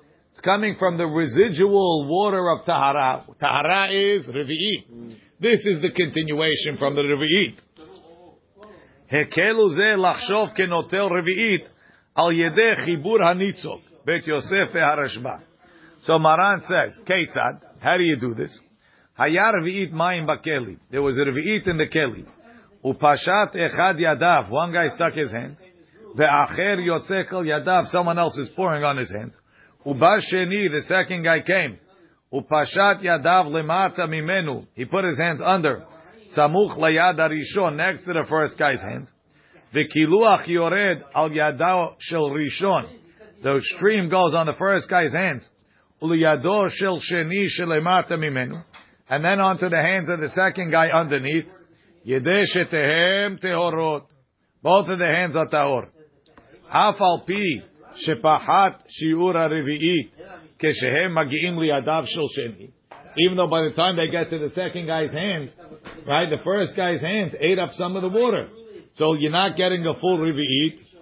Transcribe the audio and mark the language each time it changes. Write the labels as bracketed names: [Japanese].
[English] It's coming from the residual water of Tahara. Tahara is Revi'it. This is the continuation from the Revi'it. [Hebrew] הקלו זה לחשוב כנוטל רביעית על ידי חיבור הניצוק, בית יוסף והרשב"א. [English] So Maran says, [Hebrew] כיצד? [English] How do you do this? [Hebrew] היה רביעית מים בכלי. [English] There was a רביעית in the כלי. [Hebrew] ופשט אחד ידיו. [English] One guy stuck his hands. [Hebrew] ואחר יוצק על ידיו. [English] Someone else is pouring on his hands. [Hebrew] ובשני, [English] the second guy came. [Hebrew] ופשט ידיו למטה ממנו. [English] He put his hands under. [Hebrew] סמוך ליד הראשון, [English] next to the first guy's hands. [Hebrew] וקילוח יורד על ידיו של ראשון. [English] The stream goes on the first guy's hands. [Hebrew] ולידו של שני שלמטה ממנו. [English] And then onto the hands of the second guy underneath. [Hebrew] ידי שתיהם טהורות. [English] Both of the hands are טהור. [Hebrew] אף על פי שפחת שיעור הרביעית כשהם מגיעים לידיו של שני. [English] Even though by the time they get to the second guy's hands, right, the first guy's hands ate up some of the water. So you're not getting a full revi'it.